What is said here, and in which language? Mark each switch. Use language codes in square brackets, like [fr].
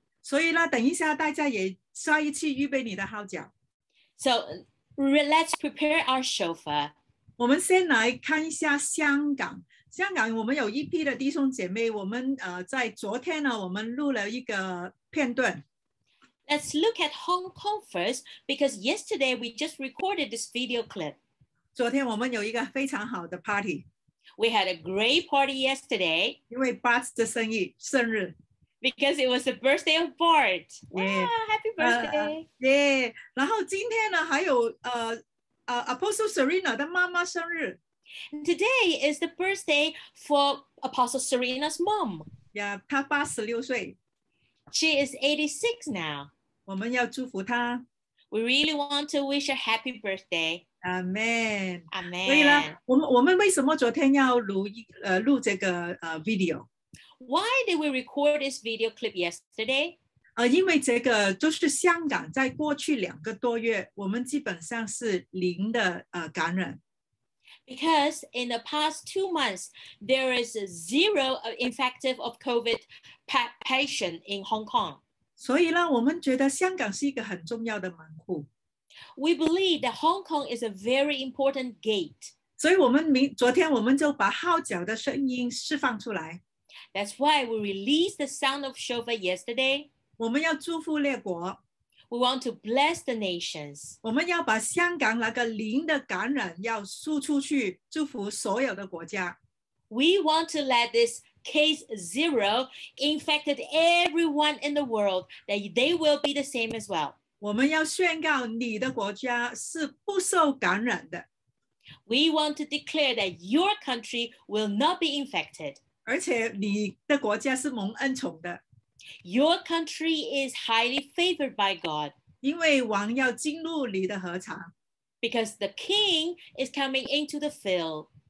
[zh] 所以呢,等一下大家也刷一次预备你的号角。 [en] So let's prepare our shofar. [zh] 我们先来看一下香港。香港我们有一批的弟兄姐妹，我们在昨天呢，我们录了一个片段。 [en] Let's look at Hong Kong first, because yesterday we just recorded this video clip. [zh] 昨天我们有一个非常好的 party. [en] We had a great party yesterday. [zh] 因为Bart的生日。 [en] Because it was the birthday of Bart. Yeah, happy birthday. [zh] Yeah. 然后今天呢，还有Apostle Serena的妈妈生日。 [en] Today is the birthday for Apostle Serena's mom. [zh] Yeah, 她86岁. [en] She is 86 now. [zh] 我们要祝福她. [en] We really want to wish a happy birthday. Amen. Amen. [zh] 所以呢，我们为什么昨天要录这个video? [en] Why did we record this video clip yesterday? [zh] 因为这个就是香港在过去两个多月，我们基本上是零的感染。 [en] Because in the past 2 months, there is zero infective of COVID patient in Hong Kong. [zh] 所以呢，我们觉得香港是一个很重要的门户。 [en] We believe that Hong Kong is a very important gate. [zh] 所以我们昨天我们就把号角的声音释放出来。 [en] That's why we released the sound of shofar yesterday. [zh] 我们要祝福列国。 [en] We want to bless the nations. [zh] 我们要把香港那个零的感染要输出去，祝福所有的国家。 [en] We want to let this case zero infected everyone in the world, that they will be the same as well. [zh] 我们要宣告你的国家是不受感染的。 [en] We want to declare that your country will not be infected. [zh] 而且你的国家是蒙恩宠的。 [en] Your country is highly favored by God. [zh] 因为王要进入你的禾场。 [en] Because the king is coming into the field.